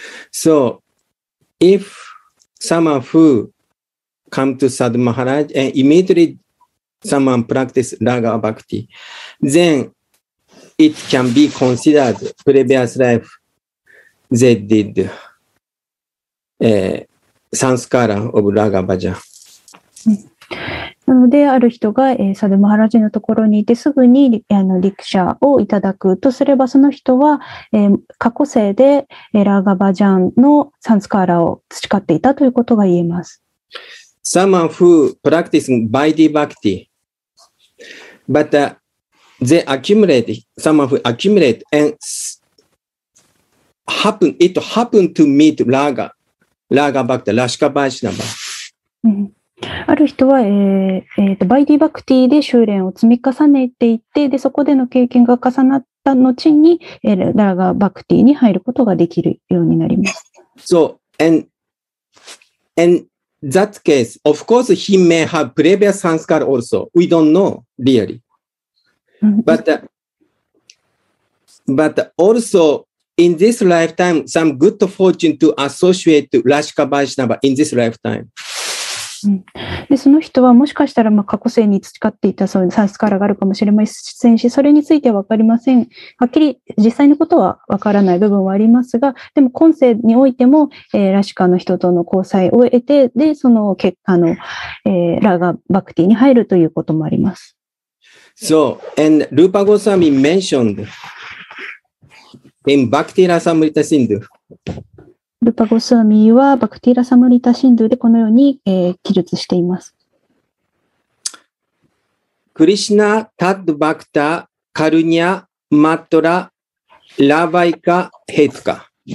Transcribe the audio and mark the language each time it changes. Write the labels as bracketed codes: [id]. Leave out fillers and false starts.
[en] So if someone who come to Sadhu Maharaj and immediately someone practice Raga Bhakti, then it can be considered previous life they did、Sanskara of Raga Bhajan [ja] なので、ある人が、サドゥマハラジのところにいてすぐにあのリクシャをいただくとすれば、その人は、過去世で、ラーガバジャンのサンスカーラを培っていたということが言えます。 [en] Someone who practicing Vaidhi Bhakti but、they accumulate, someone who accumulate and happen, it happened to meet Raga Bhakti, Rashika Vaishnava、 [ja] ある人は、バイディバクティで修練を積み重ねていって、でそこでの経験が重なった後に、ラガバクティに入ることができるようになります。 [en] So, and that case, of course, he may have previous sanskara also. We don't know, really. But also, in this lifetime, some good fortune to associate Rashika Vaishnava in this lifetime. [ja] でその人はもしかしたら、まあ、過去世に培っていたそういうサンスカラがあるかもしれませんし、それについては分かりません。はっきり実際のことは分からない部分はありますが、でも今世においても、ラシカの人との交際を得て、でその結果の、ラガバクティに入るということもあります。 [en] So, and Rupa Goswami mentioned in Bhakti Rasamrita Sindhu [ja] ルパゴスワミはバクティラサムリタシンドゥでこのように、記述しています。 [sa] クリシナ・タッド・バクタ・カルニャ・マットラ・ラバイカ・ヘイツカ。